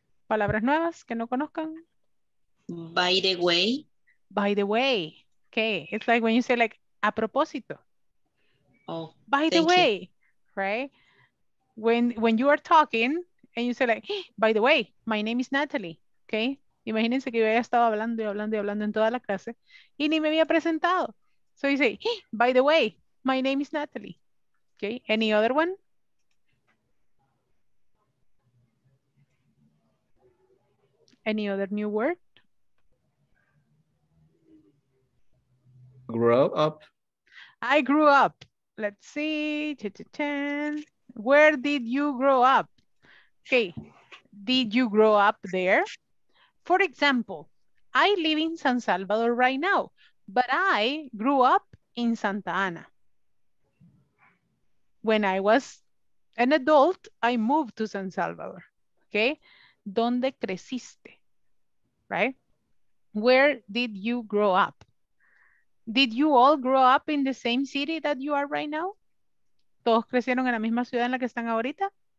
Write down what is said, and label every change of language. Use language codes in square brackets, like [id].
[es] Palabras nuevas que no conozcan. [en] By the way. By the way. Okay. It's like when you say like, [es] a propósito. [en] Oh, by the way. You. Right? When you are talking and you say like, hey, by the way, my name is Natalie. Okay? [es] Imagínense que yo haya estado hablando y hablando y hablando en toda la clase y ni me había presentado. [en] So you say, hey, by the way, my name is Natalie. Okay? Any other one? Any other new word? Grow up. I grew up. Let's see. Cha-cha-chan. Where did you grow up? Okay. Did you grow up there? For example, I live in San Salvador right now, but I grew up in Santa Ana. When I was an adult, I moved to San Salvador. [es] Okay. ¿Dónde creciste? Right? [en] Where did you grow up? Did you all grow up in the same city that you are right now? [es] ¿Todos crecieron en la misma ciudad en la que están ahorita?